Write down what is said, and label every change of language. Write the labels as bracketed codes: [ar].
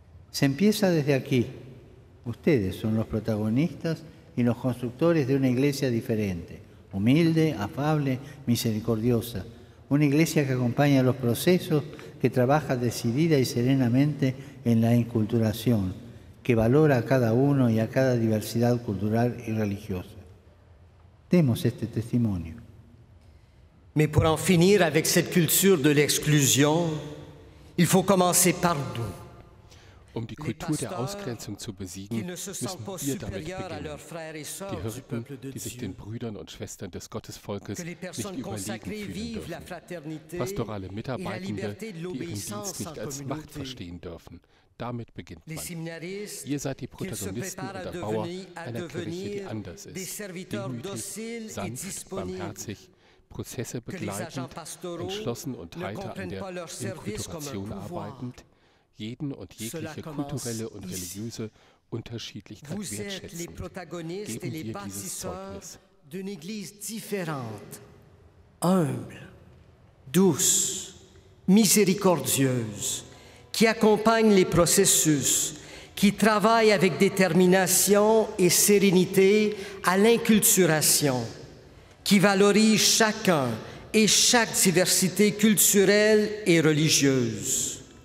[es] Se empieza desde aquí. Ustedes son los protagonistas y los constructores de una iglesia diferente, humilde, afable, misericordiosa. Una iglesia que acompaña los procesos, que trabaja decidida y serenamente en la inculturación, que valora a cada uno y a cada diversidad cultural y religiosa. Demos este testimonio. [fr] Mais pour en finir avec cette culture de l'exclusion, il faut commencer par nous. [de] Um die Kultur der Ausgrenzung zu besiegen, müssen wir damit beginnen. Die Hirten, die sich den Brüdern und Schwestern des Gottesvolkes nicht überlegen fühlen dürfen. Pastorale Mitarbeitende, die ihren Dienst nicht als Macht verstehen dürfen. Damit beginnt man. Ihr seid die Protagonisten und Erbauer einer Kirche, die anders ist. Demütig, sanft, barmherzig. Prozesse begleitend, entschlossen und heiter an der Inkulturation arbeitend, jeden und jegliche kulturelle und religiöse Unterschiedlichkeit wertschätzend. Geben wir dieses Zeugnis. [fr] D'une église différente, humble, douce, miséricordieuse, qui accompagne les processus, qui travaille avec détermination et sérénité à l'inculturation, qui valorise chacun et chaque diversité culturelle et religieuse.